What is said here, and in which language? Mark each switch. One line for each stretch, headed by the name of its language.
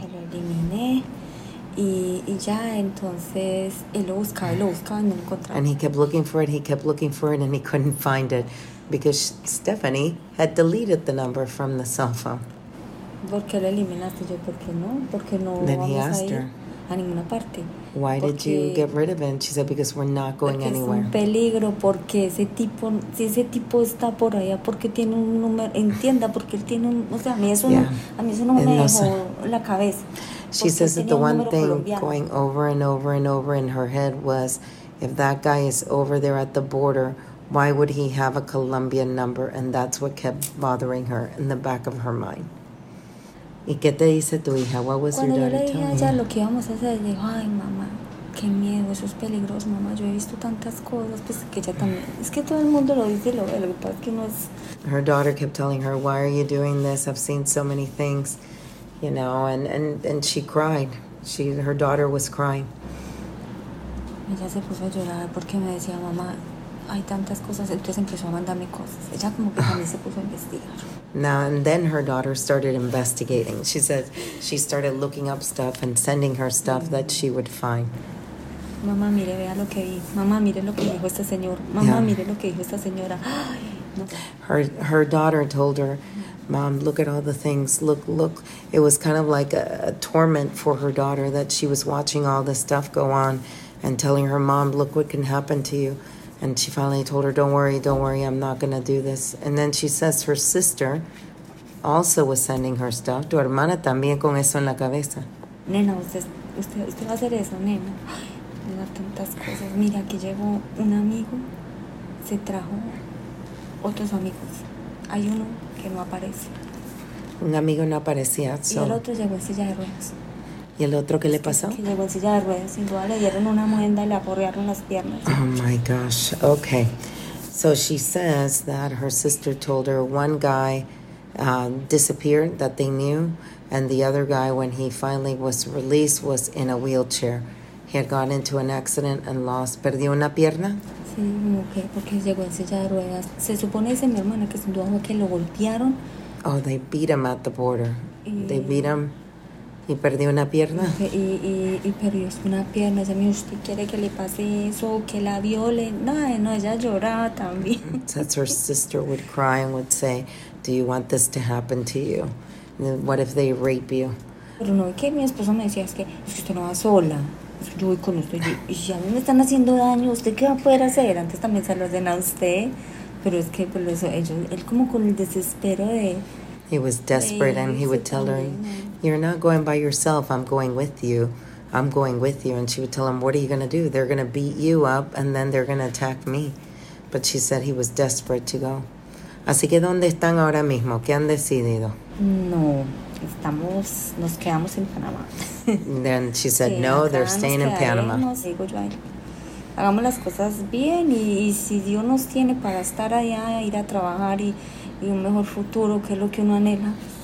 Spanish: Lo eliminé. Y ya entonces él lo buscaba y no lo encontraba.
English: And he kept looking for it, and he couldn't find it because Stephanie had deleted the number from the cell phone.
Spanish: ¿Por qué lo eliminaste? Yo, ¿por qué no?
English: Then he asked her.
Spanish: A ninguna parte.
English: Why did you get rid of him? She said, because we're not going anywhere.
Spanish: Es un peligro porque ese tipo está por allá porque tiene un número, entienda, porque él tiene un, o sea, a mí eso no me dejó la cabeza.
English: She says that the one thing going over and over and over in her head was, if that guy is over there at the border, why would he have a Colombian number? And that's what kept bothering her in the back of her mind.
Spanish: ¿Y qué te dice tu hija?
English: What was
Spanish: cuando
English: your daughter telling you?
Spanish: Cuando yo le dije a ella lo que íbamos a hacer, le dijo, ay, mamá, qué miedo, eso es peligroso, mamá. Yo he visto tantas cosas, pues, que ella también... Es que todo el mundo lo dice y lo ve, lo que pasa es que no es...
English: Her daughter kept telling her, why are you doing this? I've seen so many things, you know, and she cried. Her daughter was crying.
Spanish: Ella se puso a llorar porque me decía, mamá, hay tantas cosas. Entonces empezó a mandarme cosas. Ella como que también se puso a investigar.
English: Now, and then her daughter started investigating. She said she started looking up stuff and sending her stuff that she would find. Mamá, mire, vea lo que vi. Mamá, mire lo que dijo este señor. Mamá, mire lo que dijo esta señora. Her daughter told her, Mom, look at all the things. Look. It was kind of like a torment for her daughter that she was watching all this stuff go on and telling her, Mom, look what can happen to you. And she finally told her, don't worry, I'm not going to do this. And then she says her sister also was sending her stuff.
Spanish: Tu hermana también con eso en la cabeza. Nena, usted va a hacer eso, nena. Ay, tantas cosas. Mira, aquí llegó un amigo, se trajo otros amigos. Hay uno que no aparece. Un amigo no aparecía. Y el otro llegó en silla de ruedas. ¿Y el otro qué le pasó? Que llegó en silla de ruedas, sin duda le dieron una muenda y le aporrearon las piernas.
English: Oh my gosh, okay. So she says that her sister told her one guy disappeared that they knew, And the other guy, when he finally was released, was in a wheelchair. He had gone into an accident and lost.
Spanish: ¿Perdió una pierna? Sí, mujer, porque llegó en silla de ruedas. Se supone que mi hermana que se dijo que lo golpearon.
English: Oh, they beat him at the border. They beat him.
Spanish: ¿Y perdió una pierna? Y perdió una pierna. Ella me dijo, ¿usted quiere que le pase eso? ¿Que la viole? No, ella lloraba también.
English: That's her sister would cry and would say, do you want this to happen to you? What if they rape you?
Spanish: Pero no, que mi esposo me decía, es que usted no va sola. Yo voy con usted. Y si a mí me están haciendo daño, ¿usted qué va a poder hacer? Antes también se lo hacen a usted. Pero es que, pues, él como con el desespero de...
English: He was desperate and he would tell her, you're not going by yourself, I'm going with you. I'm going with you. And she would tell him, what are you going to do? They're going to beat you up and then they're going to attack me. But she said he was desperate to go.
Spanish: Así que, ¿dónde están ahora mismo? ¿Qué han decidido? No, estamos, nos quedamos en Panamá.
English: Then she said, no, they're staying in Panama.
Spanish: Hagamos las cosas bien y si Dios nos tiene para estar allá, ir a trabajar y un mejor futuro, que es lo que uno anhela.